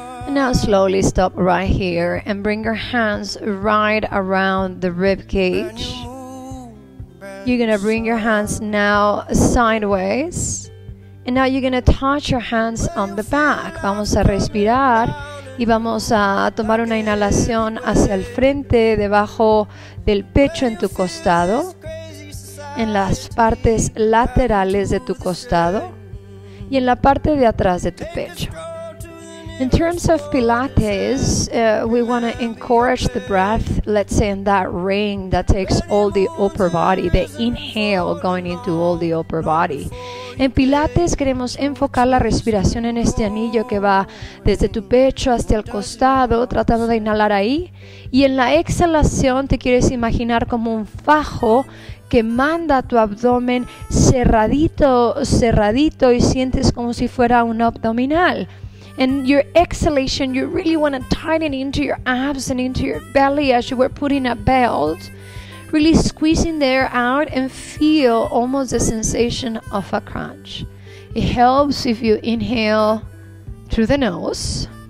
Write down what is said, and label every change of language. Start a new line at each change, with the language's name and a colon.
English: Now slowly stop right here and bring your hands right around the rib cage. You're going to bring your hands now sideways. And now you're going to touch your hands on the back.
Spanish: Vamos a respirar y vamos a tomar una inhalación hacia el frente, debajo del pecho en tu costado, en las partes laterales de tu costado y en la parte de atrás de tu pecho.
English: In terms of Pilates, we want to encourage the breath, let's say in that ring that takes all the upper body, the inhale going into all the upper body.
Spanish: En Pilates queremos enfocar la respiración en este anillo que va desde tu pecho hasta el costado, tratando de inhalar ahí. Y en la exhalación te quieres imaginar como un fajo que manda tu abdomen cerradito, cerradito, y sientes como si fuera un abdominal.
English: And your exhalation, you really want to tighten into your abs and into your belly as you were putting a belt. Really squeezing there out and feel almost the sensation of a crunch. It helps if you inhale through the nose.